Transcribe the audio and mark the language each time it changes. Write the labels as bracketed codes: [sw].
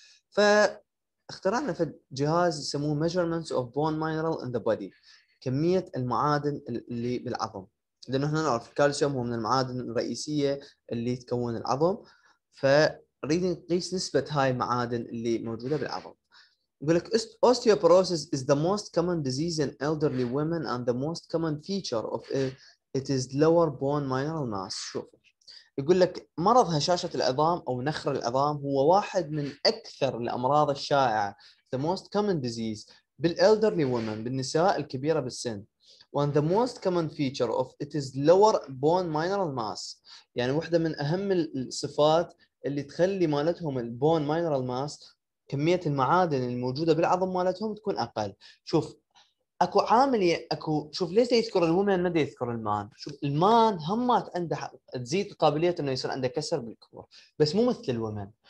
[ar] ف اخترعنا في الجهاز يسموه [en] measurements of bone mineral in the body, [ar] كميه المعادن اللي بالعظم، لانه احنا نعرف الكالسيوم هو من المعادن الرئيسيه اللي تكون العظم، ف نريد نقيس نسبة هاي المعادن اللي موجودة بالعظم. يقول لك [en] osteoporosis is the most common disease in elderly women and the most common feature of it is lower bone mineral mass. [ar] شوف، يقول لك مرض هشاشة العظام أو نخر العظام هو واحد من أكثر الأمراض الشائعة، [en] the most common disease [ar] بالelderly women، بالنساء الكبيرة بالسن. [en] One the most common feature of it is lower bone mineral mass. [ar] يعني واحدة من أهم الصفات اللي تخلي مالتهم البون ماينرال ماس، كميه المعادن الموجوده بالعظم مالتهم تكون اقل. شوف اكو عامل، اكو شوف ليش يذكر الومن ما يذكر المان؟ شوف المان همات عنده تزيد قابليه انه يصير عنده كسر بالكور، بس مو مثل الومن.